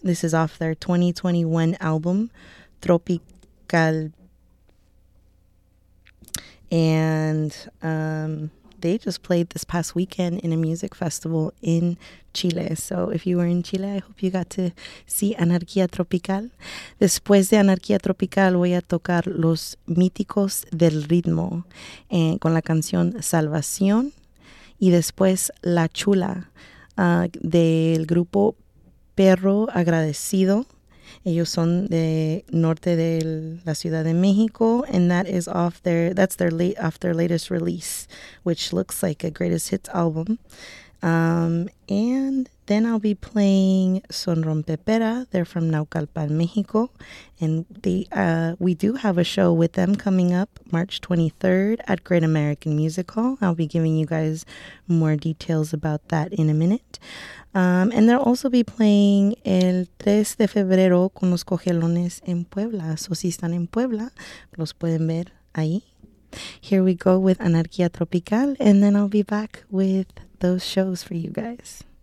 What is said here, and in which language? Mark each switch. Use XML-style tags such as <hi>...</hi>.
<en>This is off their 2021 album, Tropical. And they just played this past weekend in a music festival in Chile. So if you were in Chile, I hope you got to see Anarquía Tropical.</en> <es>Después de Anarquía Tropical, voy a tocar Los Míticos del Ritmo con la canción Salvación. Y después La Chula del grupo Perro Agradecido. Ellos son de norte de la Ciudad de México,</es> <en>and that is off their latest release, which looks like a greatest hits album. And then I'll be playing Son Rompepera. They're from Naucalpan, Mexico, and we do have a show with them coming up March 23rd at Great American Music Hall. I'll be giving you guys more details about that in a minute. And they'll also be playing</en> <es>El 3 de Febrero con los Cogelones en Puebla. So si están en Puebla, los pueden ver ahí.</es> <en>Here we go with Anarquía Tropical, and then I'll be back with those shows for you guys.</en>